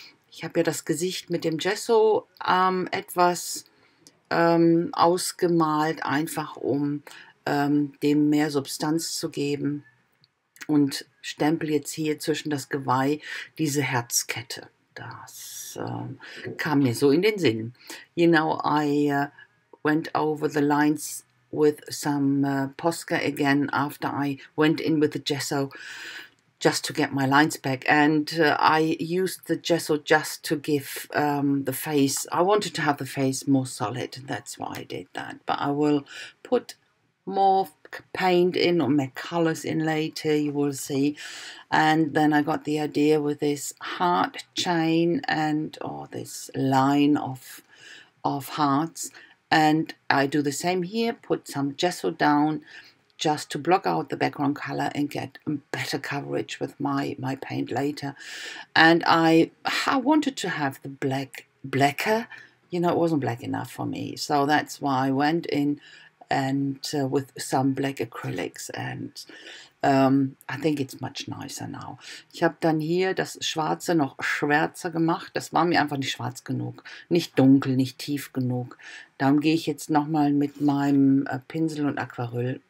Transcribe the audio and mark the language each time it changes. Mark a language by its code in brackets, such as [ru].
[de] Ich habe ja das Gesicht mit dem Gesso etwas ausgemalt, einfach um dem mehr Substanz zu geben. Und stempel jetzt hier zwischen das Geweih diese Herzkette. Das kam mir so in den Sinn. [en] I went over the lines with some Posca again after I went in with the Gesso. Just to get my lines back, and I used the gesso just to give the face. I wanted to have the face more solid, and that's why I did that. But I will put more paint in or more colors in later, you will see. And then I got the idea with this heart chain and or this line of hearts, and I do the same here, put some gesso down. Just to block out the background color and get better coverage with my paint later. And I wanted to have the blacker, you know, it wasn't black enough for me. So that's why I went in and with some black acrylics. And I think it's much nicer now. [de] Ich habe dann hier das Schwarze noch schwärzer gemacht. Das war mir einfach nicht schwarz genug, nicht dunkel, nicht tief genug. Darum gehe ich jetzt nochmal mit meinem Pinsel und Aquarell.